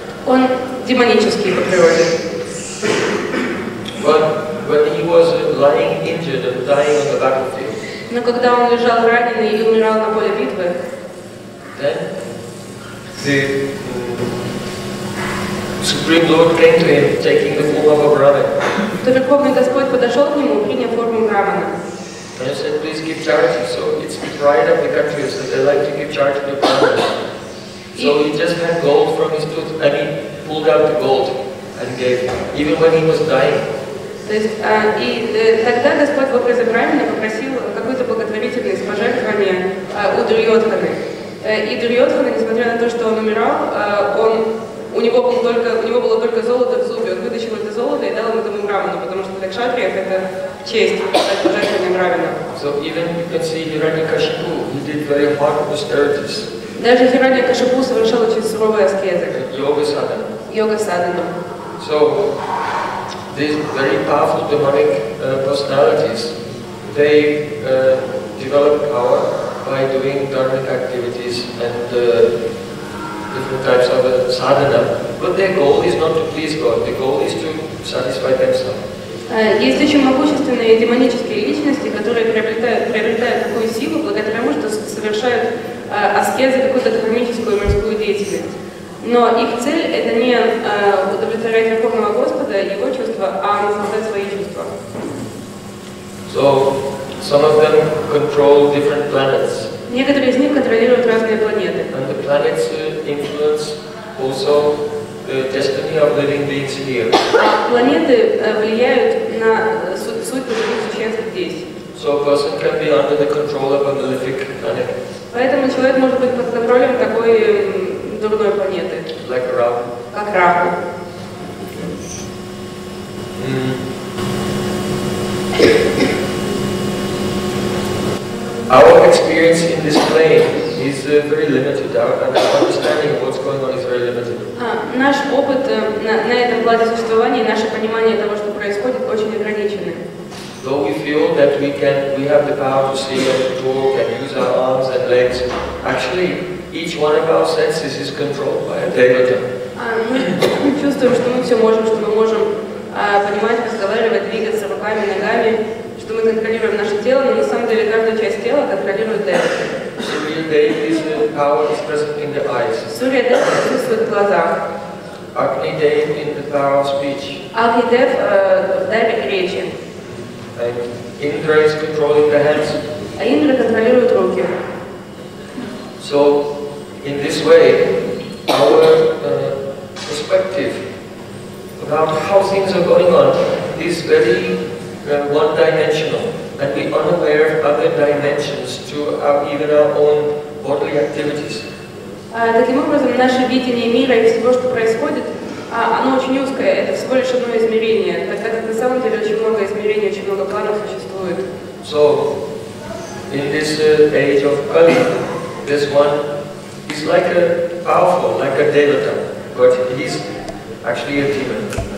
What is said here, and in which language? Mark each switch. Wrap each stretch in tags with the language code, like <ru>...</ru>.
<ru>Он демонический по природе.</ru> <en>But when he was lying injured and dying on the battlefield.</en> <ru>Но когда он лежал раненый и умирал на поле битвы.</ru> <en>Then the Supreme Lord came to him, taking the form of a Brahmin.</en> <ru>То Верховный Господь подошел к нему, приняв форму Брахмана.</ru> <en>And he said, please give charity. So it's the pride of the country, so they like to give charity to Brahmins. So he just had gold from his tooth, and he pulled out the gold and gave, even when he was dying.</en> <ru>И тогда Господь в образе Брахмана попросил какую-то благотворительность, пожертвование у Дурьодханы. И Дурьодхана, несмотря на то, что он умирал, у него было только золото в зубе. Он вытащил это золото и дал ему этому брахману, потому что для кшатриев это честь стать пожертвованным брахманом.</ru> <en>So even you can see Hiranyakashipu, he did very hard austerities.</en> <ru>Даже Хираньякашипу совершал очень суровые аскезы. Йога-садхана.</ru> <en>So these very powerful demonic personalities, they develop power by doing dharmic activities and different types of sadhana. But their goal is not to please God, their goal is to satisfy themselves.</en> <ru>Есть очень могущественные демонические личности, которые приобретают такую силу благодаря тому, что совершают аскезы, какую-то кармическую морскую деятельность. Но их цель — это не удовлетворять Верховного Господа, Его чувства, а наслаждать свои чувства.</ru> <en>So, some of them control different planets.</en> <ru>Некоторые из них контролируют разные планеты.</ru> <en>And the planets influence also the destiny of living beings here.</en> <ru>Планеты влияют на судьбу живых существ здесь.</ru> <en>So a person can be under the control of a malefic planet.</en> <ru>Поэтому человек может быть под контролем такой дурной планеты.</ru> <en>Like Rahu.</en> <ru>Как Раху.</ru> <en>Our experience in this plane is very limited. Our understanding of what's going on is very limited.</en> <ru>Наш опыт на этом плане существования, наше понимание того, что происходит, очень ограничено.</ru> <en>Though we feel that we have the power to see and to talk and use our arms and legs, actually, each one of our senses is controlled by a devata.</en> <ru>Мы чувствуем, что мы все можем, что мы можем понимать, разговаривать, двигаться руками, ногами. Что мы контролируем наше тело, но на самом деле каждую часть тела контролирует Девата. Сурья Дев присутствует в глазах.</ru> <en>Агни Дев in the power of speech.</en> <ru>Агни Дев в даре речи.</ru> <en>Индра is controlling the hands.</en> <ru>А Индра контролирует руки.</ru> <en>So in this way, our perspective about how things are going on is very one-dimensional, and we are unaware of other dimensions to even our own bodily activities.</en> <ru>Таким образом, наше видение мира и всего, что происходит, оно очень узкое. Это всего лишь одно измерение, так как на самом деле очень много измерений, очень много планов существует.</ru> <en>So, in this age of Kali, this one is like a powerful, like a devata, but he's actually a demon.</en>